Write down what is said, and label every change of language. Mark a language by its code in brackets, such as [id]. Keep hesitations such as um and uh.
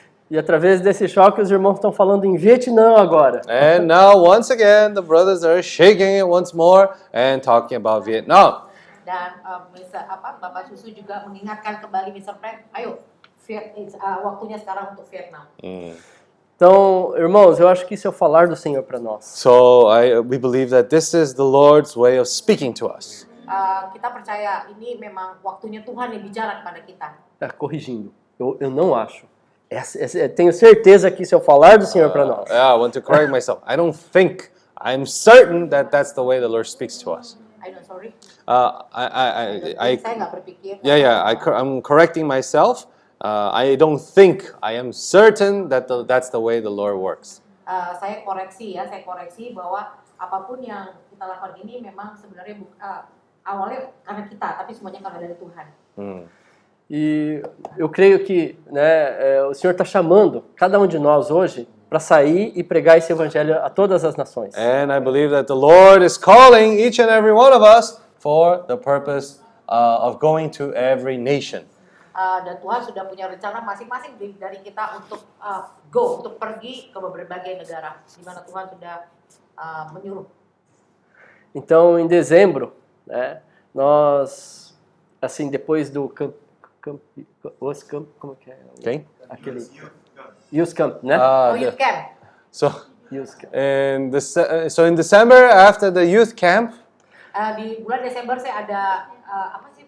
[pt] e através desse choque os irmãos estão falando em Vietnã agora. [en] And now once again the brothers are shaking it once more and talking about Vietnam. [id] Dan um, mm. apa Bapak Susu juga mengingatkan kembali Mr. Pat, ayo waktunya sekarang untuk Vietnam. [pt] Então, irmãos, eu acho que isso é falar do Senhor para nós. [en] So, I, we believe that this is the Lord's way of speaking to us. [id] Uh, kita percaya ini memang waktunya Tuhan yang bicara kepada kita. [pt] Tá corrigindo. Eu, eu não acho. Essa, essa, eu tenho certeza que se eu falar do Senhor uh, para nós. [en] Yeah, I want to correct myself. I don't think I'm certain that that's the way the Lord speaks to us. I don't sorry. Uh, I, I, I, I, yeah, yeah. I, I'm correcting myself. Uh, I don't think I am certain that the, that's the way the Lord works. [id] saya koreksi ya, saya koreksi bahwa apapun yang kita lakukan ini memang sebenarnya bukan. awalnya karena kita, tapi semuanya karena dari Tuhan. Hmm. [pt] E eu creio que né, é, o Senhor está chamando cada um de nós hoje para sair e pregar esse evangelho a todas as nações. [en] And I believe that the Lord is calling each and every one of us for the purpose uh, of going to every nation. [id] Uh, dan Tuhan sudah punya rencana masing-masing dari kita untuk uh, go untuk pergi ke berbagai negara di mana Tuhan sudah uh, menyuruh. [pt] Então, em dezembro, né? Nós, assim, depois do camp, camp, os okay. [en] camp, [pt] como que é? Quem? Aquele. [en] Youth camp, né? Ah, oh, the youth camp. So, youth camp. And the, uh, so in December after the youth camp. [id] Uh, di bulan Desember saya ada uh, apa sih?